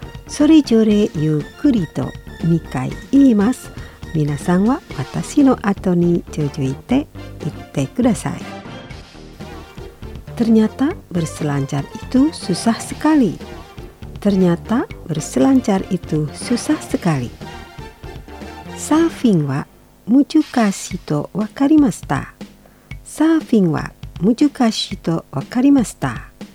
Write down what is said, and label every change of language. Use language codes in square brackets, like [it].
[ja] それぞれゆっくりと2回言います。皆さんは私の後に続いて言ってください。 [id] Ternyata berselancar itu susah sekali. Ternyata berselancar itu susah sekali. [ja] サーフィングは難しいとわかりました。サーフィングは難しいとわかりました。